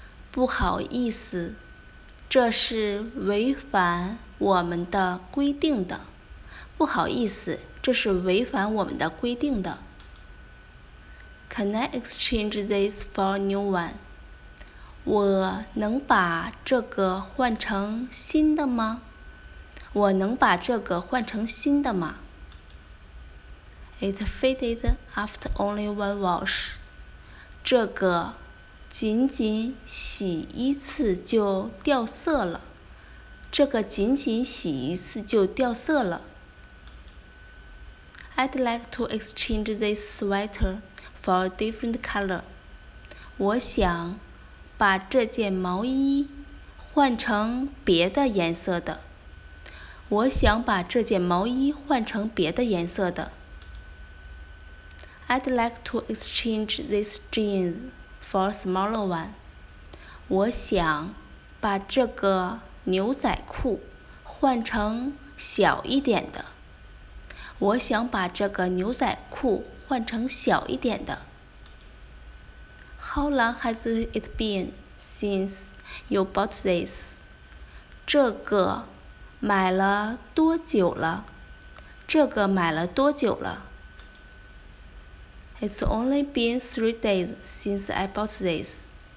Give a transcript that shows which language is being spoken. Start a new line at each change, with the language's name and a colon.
Chinese: 不好意思，这是违反我们的规定的。不好意思，这是违反我们的规定的。
English: Can I exchange this for a new one?
Chinese: 我能把这个换成新的吗？我能把这个换成新的吗？
English: It faded after only one wash.
Chinese: 这个仅仅洗一次就掉色了。这个仅仅洗一次就掉色了。
English: I'd like to exchange this sweater for a different color.
Chinese: 我想把这件毛衣换成别的颜色的。我想把这件毛衣换成别的颜色的。
English: I'd like to exchange this jeans for a smaller one.
Chinese: 我想把这个牛仔裤换成小一点的。我想把这个牛仔裤换成小一点的。
English: How long has it been since you bought this?
Chinese: 这个买了多久了？这个买了多久了？
English: It's only been 3 days since I bought this.